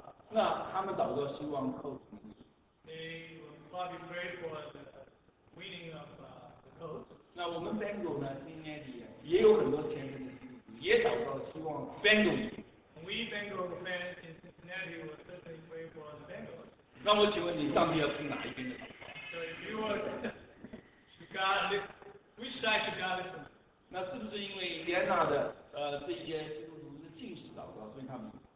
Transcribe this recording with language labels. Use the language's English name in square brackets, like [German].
[Chinese] 那他们祷告希望 Colts 赢。 [English] They will probably pray for the winning of the Colts. [Chinese] 那我们 Bengals 呢 ，Cincinnati 也有很多虔诚的基督徒，也祷告希望 Bengals 赢。 [English] We Bengals fans in Cincinnati will certainly pray for the Bengals. [Chinese] 那我请问你，上帝要听哪一边的祷告 [English] ？So if you were to God, which side should God listen? [Chinese] 那是不是因为 Indiana 的这些基督徒是禁止祷告，所以他们